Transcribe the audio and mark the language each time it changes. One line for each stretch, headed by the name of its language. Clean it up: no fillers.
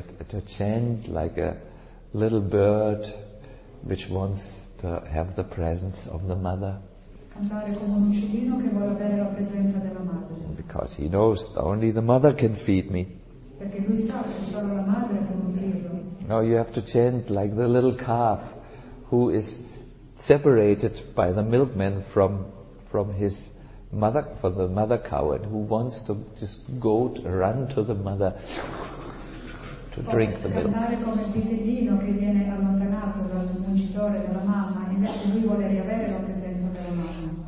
English: To chant like a little bird which wants to have the presence of the mother.
Italian: Cantare come un uccellino che vuole avere la presenza della madre.
English: Because he knows only the mother can feed me.
Italian: Perché lui sa che solo la madre può nutrirlo.
English: No, you have to chant like the little calf who is separated by the milkman from his mother, for the mother cow, and who wants to just go to run to the mother to drink the milk.